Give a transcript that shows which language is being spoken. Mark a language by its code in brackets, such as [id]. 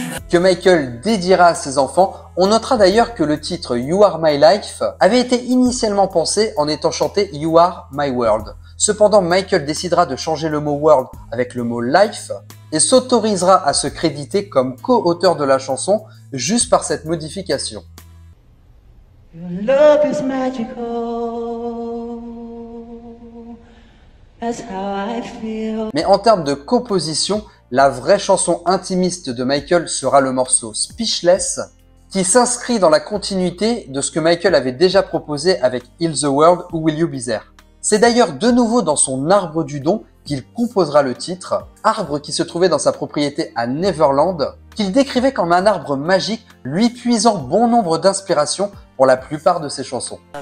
[fr] Que Michael dédiera à ses enfants. On notera d'ailleurs que le titre « You Are My Life » avait été initialement pensé en étant chanté « You Are My World ». Cependant, Michael décidera de changer le mot « world » avec le mot « life » et s'autorisera à se créditer comme co-auteur de la chanson juste par cette modification. [en] Your love is magical, that's how I feel. [fr] Mais en termes de composition, la vraie chanson intimiste de Michael sera le morceau « Speechless » qui s'inscrit dans la continuité de ce que Michael avait déjà proposé avec « Heal the World » ou « Will You Be There ». C'est d'ailleurs de nouveau dans son arbre du don qu'il composera le titre, arbre qui se trouvait dans sa propriété à Neverland, qu'il décrivait comme un arbre magique, lui puisant bon nombre d'inspirations pour la plupart de ses chansons.